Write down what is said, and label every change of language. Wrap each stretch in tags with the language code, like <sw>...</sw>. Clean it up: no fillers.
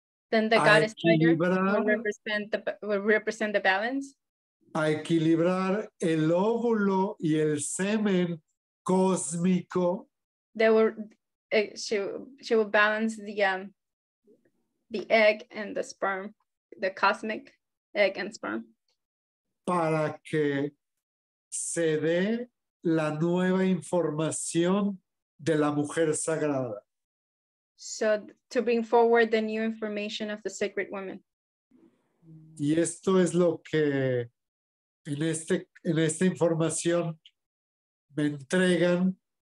<en>then the goddess spider will represent the balance.</en> <es>A equilibrar el óvulo y el semen cósmico.</es> <en>She will balance the egg and the sperm, the cosmic egg and sperm.</en> <es>Para que se dé la nueva información de la mujer sagrada.</es> <en>So to bring forward the new information of the sacred woman.</en> <es>Y esto es lo que en esta información me entregan</es>